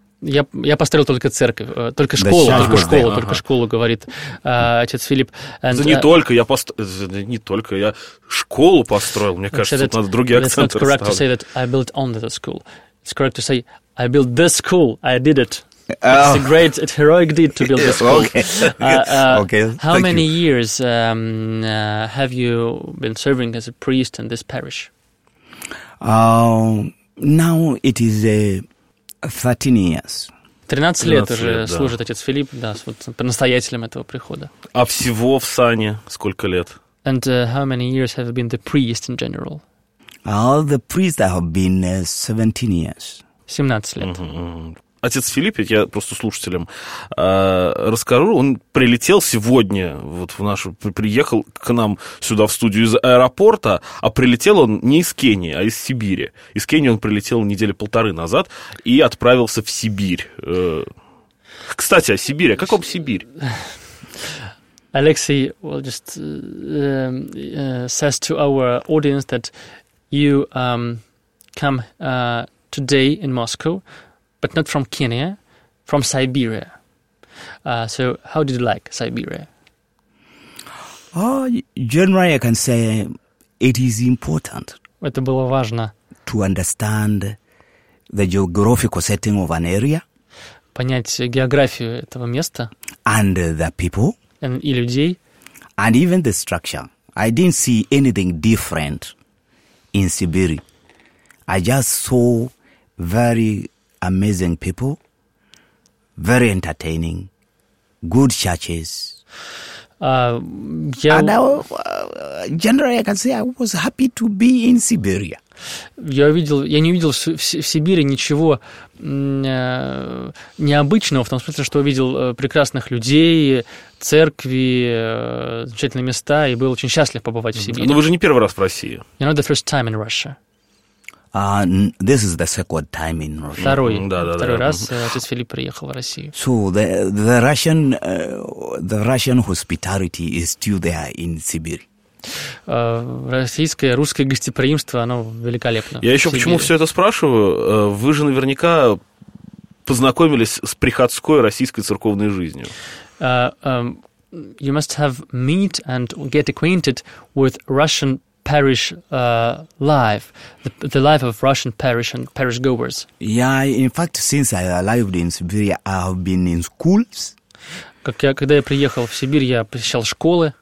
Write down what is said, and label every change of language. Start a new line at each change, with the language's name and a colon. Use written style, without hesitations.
Russian: Я построил только церковь, только школу, да, только школу, только школу, говорит отец Филипп. And, это не только, я не только я школу построил, мне кажется, тут надо другие акценты расставить.
English: It's not correct to say that I built only the school. It's correct to say I built the school, I did it. It's a great, it's heroic deed to build the school. Okay. Okay. How many years have you been serving as a priest in this parish? Now it is a 13 years.
Russian: 13 лет уже служит отец Филипп, да, вот настоятелем этого прихода. А всего в сане сколько лет?
English: And how many years have you been the priest in general? The priest I have been 17 years.
Russian: 17 лет. Отец Филипп, я просто слушателям расскажу, он прилетел сегодня, вот в нашу, приехал к нам сюда в студию из аэропорта, а прилетел он не из Кении, а из Сибири. Из Кении он прилетел недели полторы назад и отправился в Сибирь. Кстати, о Сибири, как вам Сибирь?
English: Алексей, well, just says to our audience that you come today in Moscow, but not from Kenya, from Siberia. So how did you like Siberia? Generally, I can say it is important.
Russian: Это было важно.
English: To understand the geographical setting of an area.
Russian: Понять географию этого места.
English: And the people.
Russian: И людей.
English: And even the structure. I didn't see anything different in Siberia. I just saw very amazing people, very entertaining, good churches. Generally, I can say I was happy to be in Siberia.
Russian: Я не видел в Сибири ничего необычного, в том смысле, что увидел прекрасных людей, церкви, замечательные места, и был очень счастлив побывать в Сибири. Но вы же не первый раз в России.
English: You're not the first time in Russia. This is the second time in Russia.
Russian: Второй раз отец Филипп приехал в Россию.
English: So the Russian hospitality is still there in Siberia.
Russian: Российское, русское гостеприимство, оно великолепно. Я еще почему все это спрашиваю? Вы же наверняка познакомились с приходской российской церковной жизнью.
English: You must have meet and get acquainted with Russian parish life, the life of Russian parish and parish goers. Yeah, in fact, since I arrived in Siberia, I have been in schools.
Russian: Когда я приехал в Сибирь, я посещал школы.